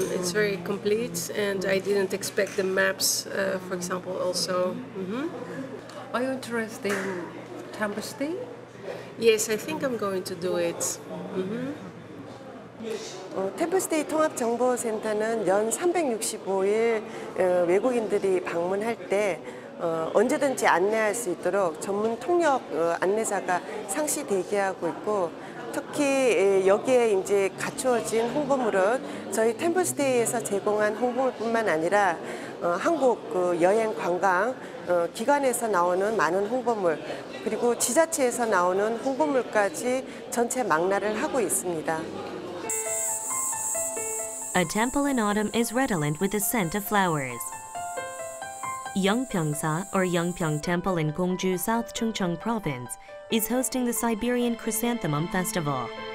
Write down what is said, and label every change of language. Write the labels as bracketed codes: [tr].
[en] It's very complete, and I didn't expect the maps, for example, also. Mm-hmm. Are you interested in Templestay? Yes, I think I'm going to do it. Mm-hmm. [ko] 템플스테이 통합정보센터는 연 365일 외국인들이 방문할 때 언제든지 안내할 수 있도록 전문 통역 안내사가 상시 대기하고 있고 특히 여기에 이제 갖추어진 홍보물은 저희 템플스테이에서 제공한 홍보물뿐만 아니라 한국 여행 관광 기관에서 나오는 많은 홍보물 그리고 지자체에서 나오는 홍보물까지 전체 망라를 하고 있습니다. [en] A temple in autumn is redolent with the scent of flowers. Yeongpyeongsa or Yeongpyeong Temple in Gongju, South Chungcheong Province is hosting the Siberian Chrysanthemum Festival.